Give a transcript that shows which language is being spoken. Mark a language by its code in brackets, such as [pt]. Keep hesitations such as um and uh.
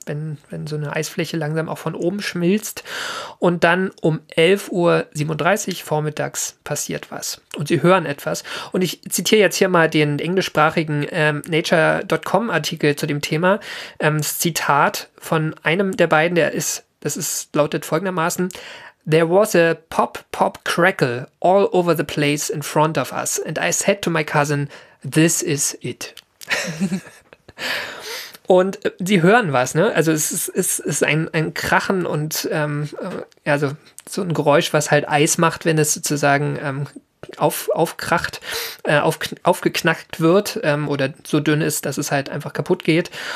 [de] wenn, wenn so eine Eisfläche langsam auch von oben schmilzt. Und dann um 11.37 Uhr vormittags passiert was. Und sie hören etwas. Und ich zitiere jetzt hier mal den englischsprachigen ähm, Nature.com-Artikel zu dem Thema. Ähm, das Zitat von einem der beiden, der ist, das ist, lautet folgendermaßen. [en] There was a pop, pop crackle all over the place in front of us. And I said to my cousin, this is it. [de] und äh, sie hören was, ne? Also es ist, es ist ein, ein Krachen und ähm, also so ein Geräusch, was halt Eis macht, wenn es sozusagen ähm, auf, aufkracht, äh, auf, aufgeknackt wird ähm, oder so dünn ist, dass es halt einfach kaputt geht.